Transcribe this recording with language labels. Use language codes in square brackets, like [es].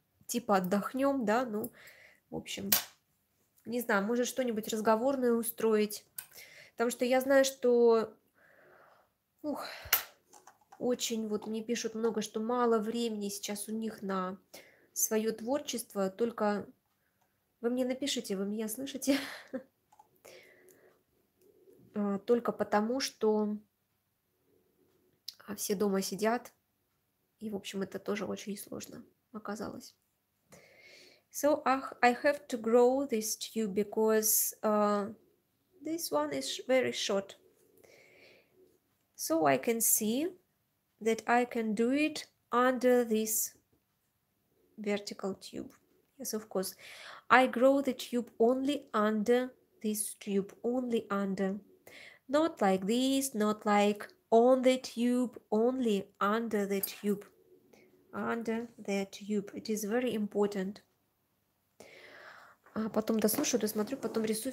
[ru] типа отдохнем, да, ну, в общем, не знаю, может что-нибудь разговорное устроить, потому что я знаю, что, ух, очень вот мне пишут много, что мало времени сейчас у них на свое творчество, только вы мне напишите, вы меня слышите? Только потому, что все дома сидят, и, в общем, это тоже очень сложно оказалось. [en] So, I have to grow this tube, because this one is very short. So, I can see that I can do it under this vertical tube. Yes, of course. I grow the tube only under this tube, only under. Not like this, not like on the tube, only under the tube. Under the tube. It is very important. [ru] А потом дослушаю, досмотрю, потом рисую.